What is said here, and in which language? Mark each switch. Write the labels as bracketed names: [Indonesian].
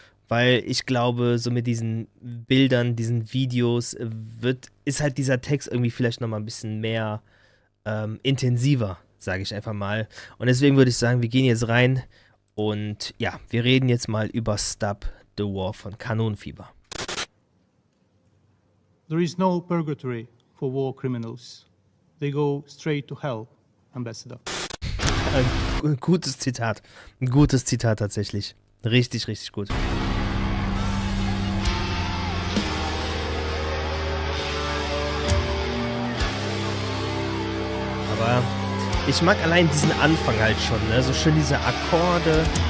[German] Weil ich glaube, so mit diesen Bildern, diesen Videos, ist halt dieser Text irgendwie vielleicht nochmal ein bisschen mehr intensiver, sage ich einfach mal. Und deswegen würde ich sagen, wir gehen jetzt rein und ja, wir reden jetzt mal über Stop the War von Kanonenfieber. [English] There is no purgatory for war criminals. They go straight to hell, Ambassador. [German] Ein gutes Zitat tatsächlich. Richtig, richtig gut. Aber ich mag allein diesen Anfang halt schon, ne? So schön diese Akkorde.